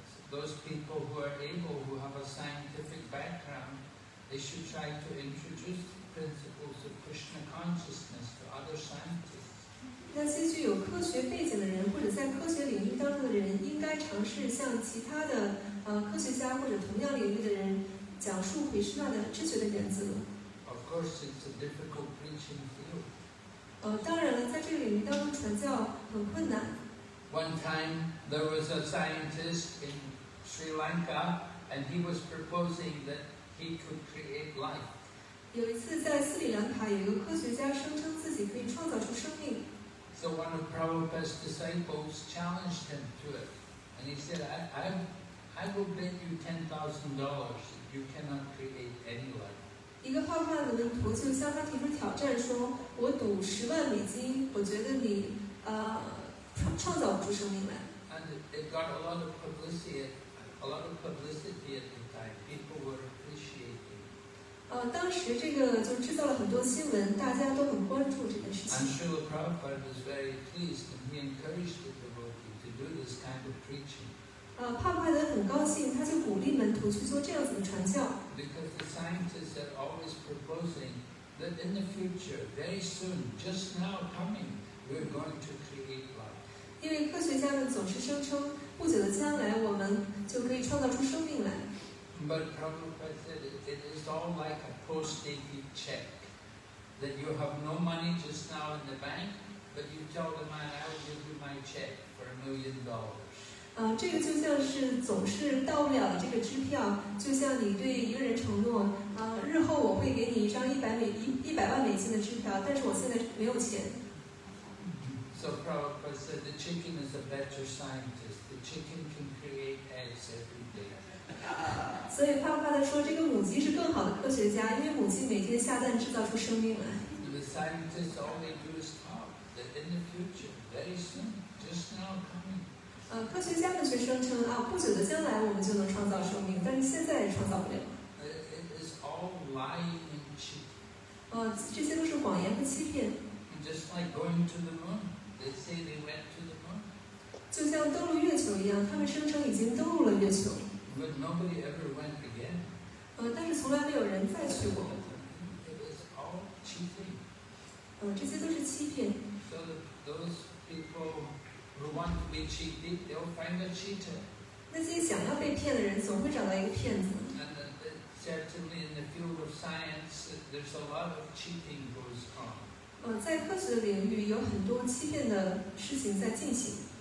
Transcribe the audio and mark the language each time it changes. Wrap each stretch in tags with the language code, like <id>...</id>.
<en>Those people who are able, who have a scientific background. They should try to introduce the principles of Krishna consciousness to other scientists.</en> <zh>那些具有科学背景的人，或者在科学领域当中的人，应该尝试向其他的科学家或者同样领域的人讲讲述回师那的知觉的原则。</zh> <en>Of course, it's a difficult preaching field.</en> <zh>当然了，在这个领域当中传教很困难。</zh> <en>One time, there was a scientist in Sri Lanka, and he was proposing that he could create life.</en> <zh>有一次在斯里兰卡，有一个科学家声称自己可以创造出生命。</zh> <en>So one of Prabhupada's disciples challenged him to it, and he said, I will bet you $10,000 if you cannot create any life.</en> <zh>一个浩瀚的门徒就向他提出挑战，说：“我赌$10,000，我觉得你创造不出生命来。”</zh> <en>And it got a lot of publicity. A lot of publicity at the time. People were appreciating.</en> <zh>当时这个就制造了很多新闻，大家都很关注这件事情。</zh> <en>I'm sure the Prabhupada was very pleased, and he encouraged the devotee to do this kind of preaching.</en> <zh>帕帕德很高兴，他就鼓励门徒去做这样子的传教。</zh> <en>Because the scientists are always proposing that in the future, very soon, just now coming, we're going to create life.</en> <zh>因为科学家们总是声称，不久的将来我们就可以创造出生命来。</zh> <en>But Prabhupada said it is all like a post-dated check. That you have no money just now in the bank, but you tell the man, I will give you my check for $1,000,000.</en> <zh>这个就像是总是到不了的这个支票，就像你对一个人承诺，日后我会给你一张100万美金的支票，但是我现在没有钱。</zh> <en>So Prabhupada said the chicken is a better scientist. The chicken can create eggs every day.</en> <zh>所以帕帕的说，这个母鸡是更好的科学家，因为母鸡每天下蛋制造出生命来。</zh> <en>The scientists all they do is talk that in the future, very soon, just now coming.</en> <zh>科学家们却声称啊，不久的将来我们就能创造生命，但是现在也创造不了。</zh> <en>It is all lying and cheating.</en> <zh>这些都是谎言和欺骗。</zh> <en>And just like going to the moon, they say they went to the moon.</en> <zh>就像登陆月球一样，他们声称已经登陆了月球。</zh> <en>But nobody ever went again.</en> <zh>但是从来没有人再去过。</zh> <en>It is all cheating.</en> <zh>这些都是欺骗。</zh> <en>So those people. Who want to be cheated, they'll find a cheater.</en> <zh>那些想要被骗的人总会找到一个骗子。</zh> <en>And certainly in the field of science, there's a lot of cheating goes on.</en> <zh>在科学的领域有很多欺骗的事情在进行。</zh>